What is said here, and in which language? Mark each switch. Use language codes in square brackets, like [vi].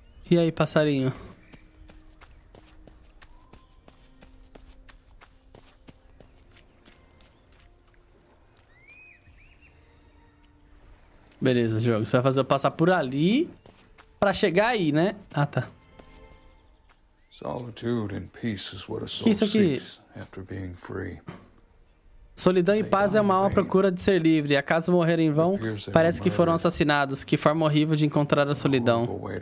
[pt] E aí, passarinho? Beleza, jogo. Você vai fazer eu passar por ali pra chegar aí, né? Ah, tá. [en] Solitude and peace is what a soul seeks after being free. [pt] Solidão e paz é uma alma à procura de ser livre. Acaso morreram em vão, parece que foram assassinados. Que forma horrível de encontrar a solidão.